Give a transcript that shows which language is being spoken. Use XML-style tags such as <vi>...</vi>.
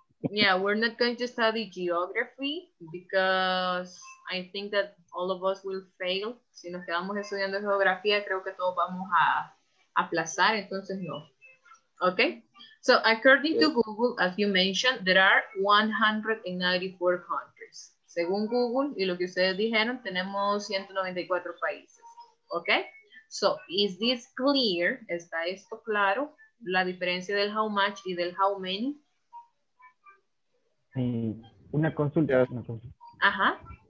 <en>Yeah, we're not going to study geography because I think that all of us will fail.</en> <es>Si nos quedamos estudiando geografía, creo que todos vamos a aplazar, entonces no.</es> <en>Okay? So, according to Google, as you mentioned, there are 194 countries.</en> <es>Según Google, y lo que ustedes dijeron, tenemos 194 países.</es> <en>Okay? So, is this clear?</en> <es>¿Está esto claro? ¿La diferencia del how much y del how many? Una consulta. Ajá.</es>